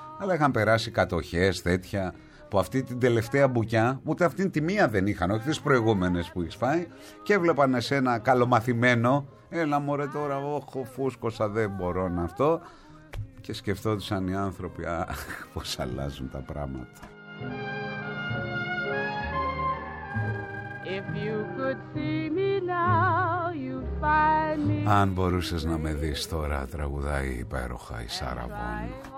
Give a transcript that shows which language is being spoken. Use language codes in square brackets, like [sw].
[el] Αλλά είχαν περάσει κατοχές, τέτοια, που αυτή την τελευταία μπουκιά, ούτε αυτήν τη μία δεν είχαν, όχι τις προηγούμενες που έχεις φάει, και έβλεπαν εσένα καλομαθημένο. Έλα μωρέ τώρα, όχο, φούσκωσα, δεν μπορώ να αυτό. Και σκεφτόντουσαν οι άνθρωποι, αχ, πώς αλλάζουν τα πράγματα. [en] If you could see me now, you find me. [el] Αν μπορούσες να με δεις τώρα, τραγουδάει υπέροχα η Σάρα Βον.